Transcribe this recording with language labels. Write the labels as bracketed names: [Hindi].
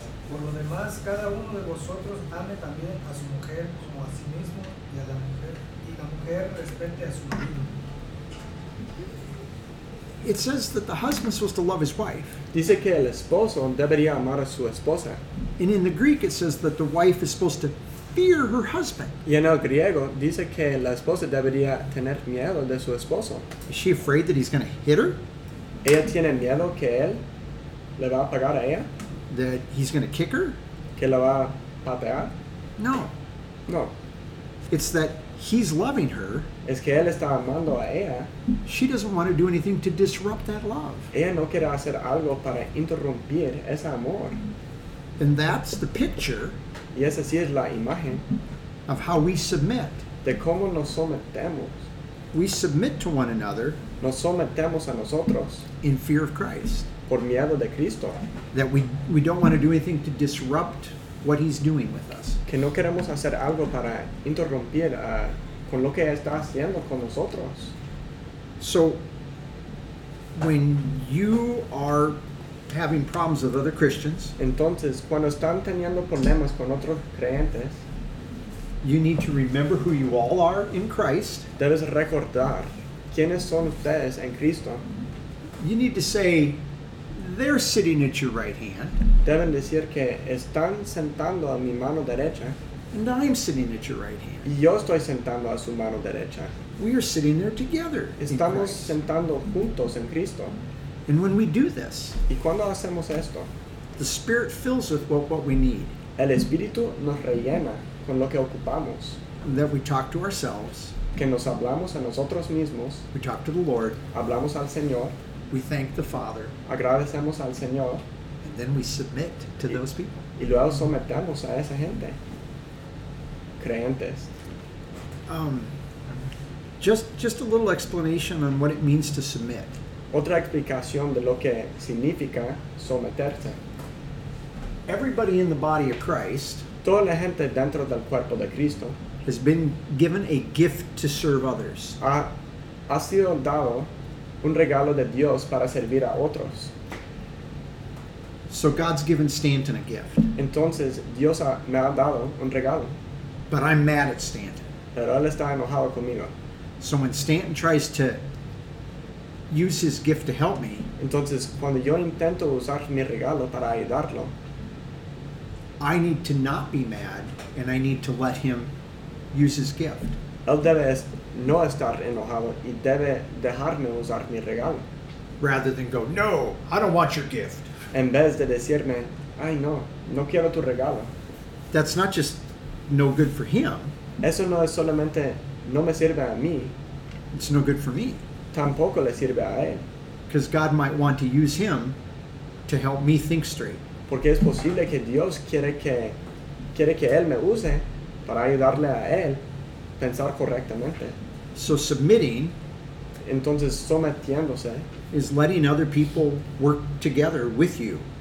[Spanish] Por lo demás, cada uno de vosotros ame también a su mujer como a sí mismo y a la mujer, y la mujer respete a su marido. [English] It says that the husband is supposed to love his wife. [Spanish] Dice que el esposo debería amar a su esposa. [English] And in the Greek it says that the wife is supposed to fear her husband. [Spanish] Y en el griego dice que la esposa debería tener miedo de su esposo. [English] Is she afraid that he's going to hit her? [Spanish] ¿Ella tiene miedo que él le va a pegar a ella? [English] That he's going to kick her? [Spanish] ¿Que la va a patear? [English] No. [Spanish] No. [English] It's that he's loving her. [Spanish] Es que él está amando a ella. [English] She doesn't want to do anything to disrupt that love. [Spanish] Ella no quiere hacer algo para interrumpir ese amor. [English] And that's the picture. [Spanish] Y esa sí es la imagen. [English] Of how we submit. [Spanish] De cómo nos sometemos. [English] We submit to one another. [Spanish] Nos sometemos a nosotros. [English] In fear of Christ. [Spanish] Por miedo de Cristo. [English] That we don't want to do anything to disrupt what he's doing with us. [Spanish] Que no queremos hacer algo para interrumpir a con lo que está haciendo con nosotros. [English] So, when you are having problems with other Christians, [Spanish] entonces, cuando están teniendo problemas con otros creyentes, [English] you need to remember who you all are in Christ. [Spanish] Debes recordar quiénes son ustedes en Cristo. [English] You need to say, they're sitting at your right hand. [Spanish] Deben decir que están sentando a mi mano derecha. [English] And I'm sitting at your right hand. [Spanish] Y yo estoy sentando a su mano derecha. [English] We are sitting there together. [Spanish] Estamos sentando juntos en Cristo. [English] And when we do this, [Spanish] y cuando hacemos esto, [English] the Spirit fills with what we need. [Spanish] El Espíritu nos rellena con lo que ocupamos. [English] And that we talk to ourselves. [Spanish] Que nos hablamos a nosotros mismos. [English] We talk to the Lord. [Spanish] Hablamos al Señor. [English] We thank the Father. [Spanish] Agradecemos al Señor. [English] And then we submit to those people. [Spanish] Y luego sometemos a esa gente. Creyentes. [English] Just a little explanation on what it means to submit. [Spanish] Otra explicación de lo que significa someterse. [English] Everybody in the body of Christ, [Spanish] toda la gente dentro del cuerpo de Cristo, [English] has been given a gift to serve others. [Spanish] Ha sido dado un regalo de Dios para servir a otros. [English] So God's given Stanton a gift. [Spanish] Entonces Dios me ha dado un regalo. [English] But I'm mad at Stanton. [Spanish] Pero él está enojado conmigo. [English] So when Stanton tries to use his gift to help me, [Spanish] entonces cuando yo intento usar mi regalo para ayudarlo, [English] I need to not be mad and I need to let him use his gift. [Spanish] Él debe no estar enojado y debe dejarme usar mi regalo. [English] Rather than go, no, I don't want your gift. [Spanish] En vez de decirme, ay no, no quiero tu regalo. [English] That's not just no good for him. [Spanish] Eso no es solamente no me sirve a mí. [English] It's no good for me. [Spanish] Tampoco le sirve a él. [English] Because God might want to use him to help me think straight. [Spanish] Porque es posible que Dios quiere que él me use para ayudarle a él pensar correctamente. [English] So submitting, [Spanish] entonces sometiéndose, [English] is letting other people work together with you.